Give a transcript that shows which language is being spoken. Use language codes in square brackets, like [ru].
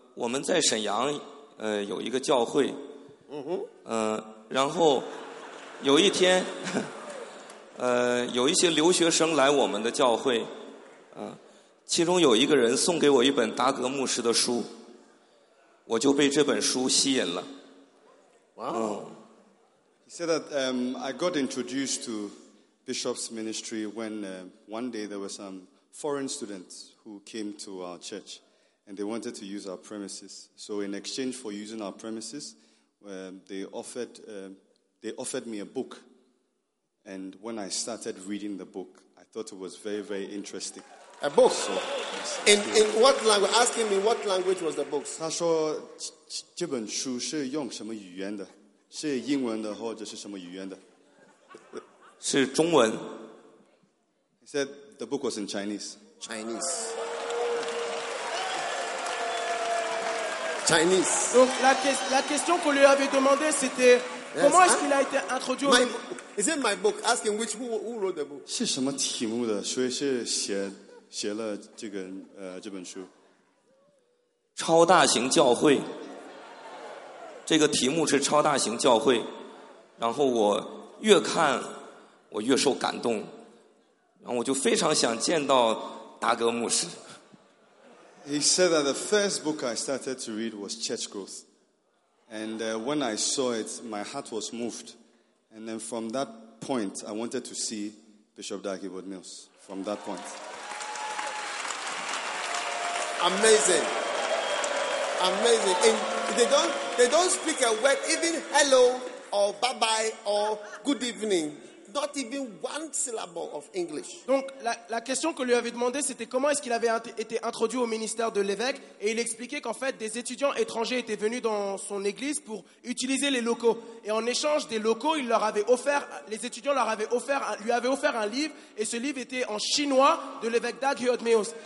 [zh] 我们在沈阳，有一个教会，然后有一天，有一些留学生来我们的教会，其中有一个人送给我一本达格牧师的书，我就被这本书吸引了。哇、 [en] He said that I got introduced to Bishop's ministry when one day there were some foreign students who came to our church, and they wanted to use our premises. So in exchange for using our premises, they offered me a book. And when I started reading the book, I thought it was very, very interesting. A book? So, yes, in what language? Ask him in what language was the book? [zh] 他说这本书是用什么语言的? 是英文的或者是什么语言的? 是中文。 [en] He said the book was in Chinese. Chinese. [fr] Donc la question qu'on lui avait demandé, c'était comment est-ce qu'il a été introduit au livre? [en] Is it my book? Ask him who wrote the book. [zh] 是什么题目的?所以是写了这本书。超大型教会。这个题目是超大型教会。然后我越看。我越受感动, 然后我就非常想见到达格牧师。 [en] He said that the first book I started to read was Church Growth. And when I saw it, my heart was moved. And then from that point, I wanted to see Bishop Dagibod Mills. From that point. Amazing. Amazing. And they don't speak a word, even hello or bye-bye or good evening. Not even one syllable of English. [fr] Donc, la question que lui avait demandé, c'était comment est-ce qu'il avait été introduit au ministère de l'évêque, et il expliquait qu'en fait, des étudiants étrangers étaient venus dans son église pour utiliser les locaux. Et en échange des locaux, lui avaient offert un livre, et ce livre était en chinois de l'évêque Dag Hyot Meos.